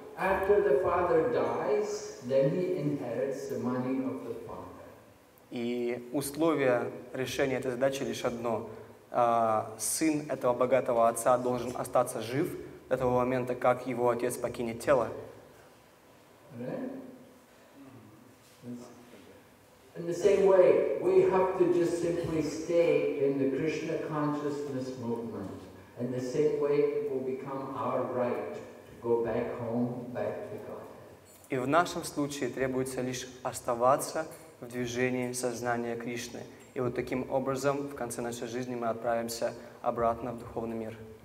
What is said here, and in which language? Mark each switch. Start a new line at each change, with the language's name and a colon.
English: After the father dies, then he inherits the money of the father.
Russian: И условие решения этой задачи лишь одно. Сын этого богатого отца должен остаться жив до того момента, как его отец покинет тело.
English: In the same way, we have to just simply stay in the Krishna consciousness movement. In the same way, it will become our right to go back home, back to God.
Russian: И в нашем случае требуется лишь оставаться в движении сознания Кришны. И вот таким образом в конце нашей жизни мы отправимся обратно в духовный мир.